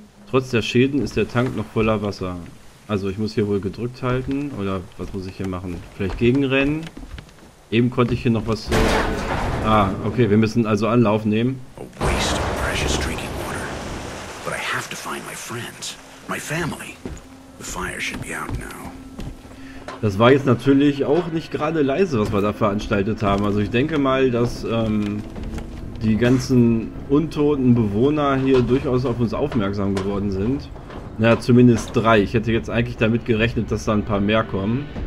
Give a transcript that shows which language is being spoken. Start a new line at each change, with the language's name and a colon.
German: Trotz der Schäden ist der Tank noch voller Wasser. Also ich muss hier wohl gedrückt halten. Oder was muss ich hier machen? Vielleicht gegenrennen? Eben konnte ich hier noch was. Ah, okay, wir müssen also Anlauf nehmen.
English: A waste of precious drinking water. But I have to find my friends, my family. The fire should be out now.
German: Das war jetzt natürlich auch nicht gerade leise, was wir da veranstaltet haben. Also ich denke mal, dass die ganzen untoten Bewohner hier durchaus auf uns aufmerksam geworden sind. Naja, zumindest drei. Ich hätte jetzt eigentlich damit gerechnet, dass da ein paar mehr kommen.